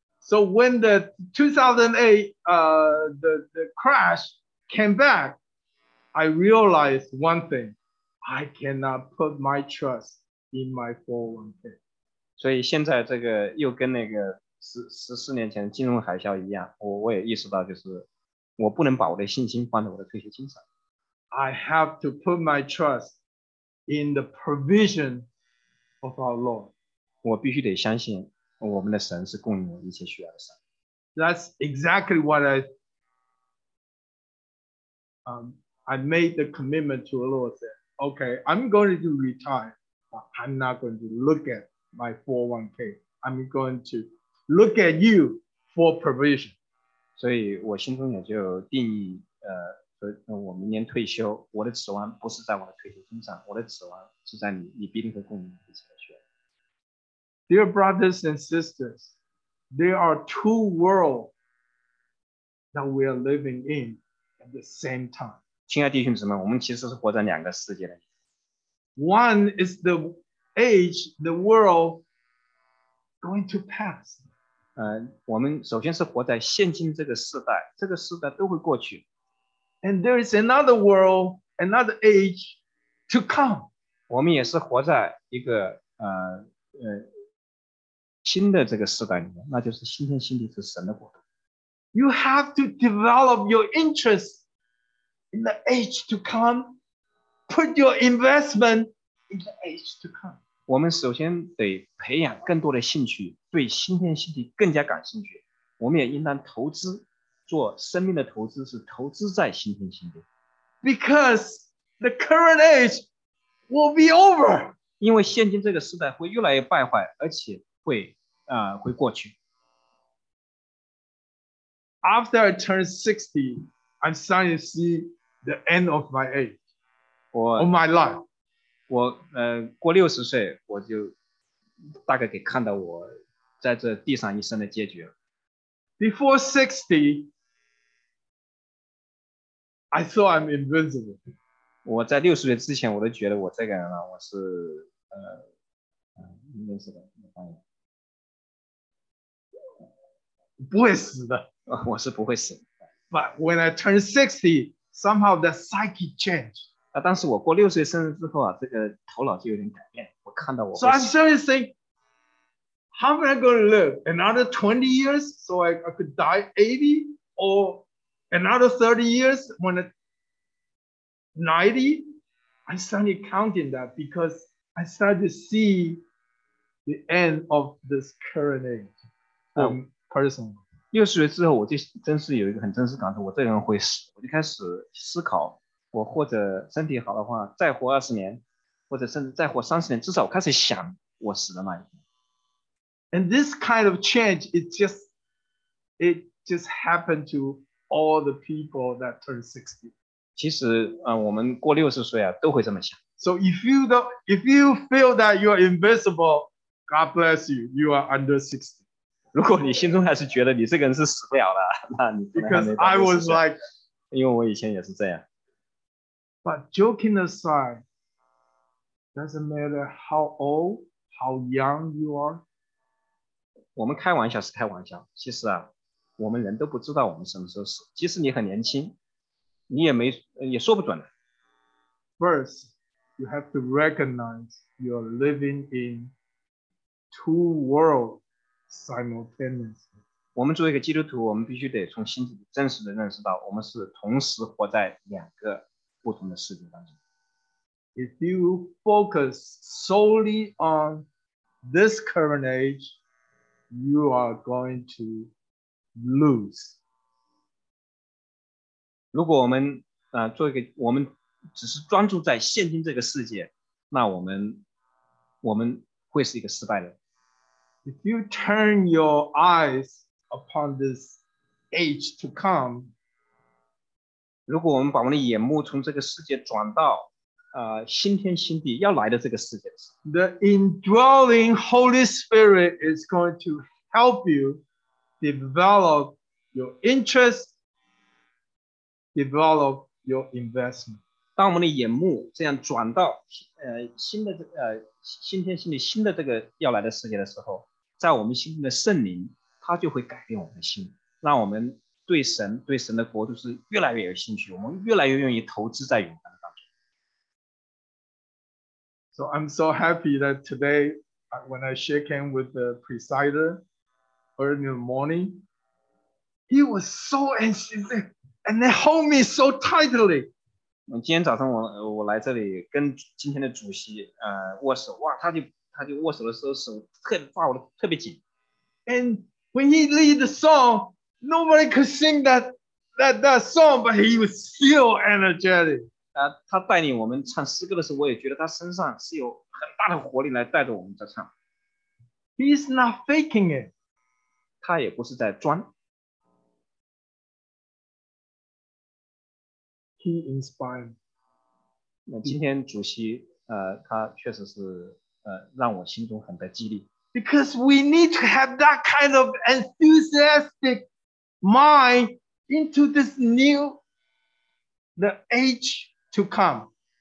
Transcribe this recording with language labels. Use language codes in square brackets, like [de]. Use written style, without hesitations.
[en] So when the 2008 the crash came back, I realized one thing: I cannot put my trust in my 401k. [zh] 所以现在这个又跟那个14年前金融海啸一样，我也意识到，就是我不能把我的信心放在我的退休金上。 [en] I have to put my trust in the provision of our Lord. [zh] 我必须得相信我们的神是供应我一切需要的神。 [en] That's exactly what I made the commitment to the Lord. Said, okay, I'm going to retire, but I'm not going to look at. My 401k. I'm going to look at you for provision. [zh] 所以我心中也就定义，我明年退休，我的指望不是在我的退休金上，我的指望是在你，你必定会供应一切的需要。 [en] Dear brothers and sisters, there are two worlds that we are living in at the same time. [zh] 亲爱弟兄姊妹，我们其实是活在两个世界的。 [en] One is the age, the world going to pass. [zh] 我们首先是活在现今这个时代，这个时代都会过去。 [en] And there is another world, another age to come. [zh] 我们也是活在一个新的这个时代里面，那就是新天新地是神的国度。 [en] You have to develop your interest in the age to come. Put your investment in the age to come. [zh] 我们首先得培养更多的兴趣，对新天新地更加感兴趣。我们也应当投资，做生命的投资，是投资在新天新地。 [en] Because the current age will be over. [zh] 因为现今这个时代会越来越败坏，而且会会过去。 [en] After I turn 60, I'm starting to see the end of my age, of my life. [zh] 我过六十岁，我就大概给看到我在这地上一生的结局了。 [en] before 60, I thought I'm invincible. [zh] 我在六十岁之前，我都觉得我这个人啊，我是 [en] invincible。 [zh] 不会死的，我是不会死的。 [en] But when I turn 60, somehow the psyche changed. [zh] 啊，当时我过六岁生日之后啊，这个头脑就有点改变。我看到我。 [en] So I started thinking, how am I going to live another 20 years so I could die 80, or another 30 years when I'm 90? I started counting that because I started to see the end of this current age. Person. [zh] 六十岁之后，我就真是有一个很真实感受，我这个人会死。我就开始思考，我或者身体好的话，再活二十年，或者甚至再活三十年，至少我开始想我死的那一天。 [en] And this kind of change, it just happened to all the people that turn 60. [zh] 其实，我们过六十岁啊，都会这么想。 [en] So if you feel that you are invisible, God bless you. You are under 60. [zh] 如果你心中还是觉得你这个人是死不了的，那你 [en] Because I was like, [zh] 因为我以前也是这样。 [en] But joking aside, doesn't matter how old, how young you are. [zh] 我们开玩笑是开玩笑，其实啊，我们人都不知道我们什么时候死，即使你很年轻，你也说不准的。 [en] First, you have to recognize you're living in two worlds. Simultaneously. [zh] 我们作为一个基督徒，我们必须得从心底真实的认识到，我们是同时活在两个不同的世界当中。 [en] If you focus solely on this current age, you are going to lose. [zh] 如果我们做一个，我们只是专注在现今这个世界，那我们会是一个失败的人。 [en] If you turn your eyes upon this age to come, [zh] 如果我们把我们的眼目从这个世界转到新天新地要来的这个世界， [en] the indwelling Holy Spirit is going to help you develop your interest, develop your investment. [zh] 当我们的眼目这样转到新天新地新的这个要来的世界的时候，在我们心中的圣灵，他就会改变我们的心，让我们对神、对神的国度是越来越有兴趣，我们越来越愿意投资在永恒当中。 [en] So I'm so happy that today, when I shake hands with the presider early in the morning, he was so anxious and they hold me so tightly. [zh] 今天早上我来这里跟今天的主席握手，哇，他就握手的时候手特别抓我的特别紧。 [en] And when he lead the song, nobody could sing that song, but he was still energetic. [zh] 他带领我们唱诗歌的时候，我也觉得他身上是有很大的活力来带着我们在唱。 [en] He's not faking it. [zh] 他也不是在装。 [en] He inspired. [zh] 那今天主席他确实是让我心中很的激励。 [en] Because we need to have that kind of enthusiastic mind into this new, the age to come.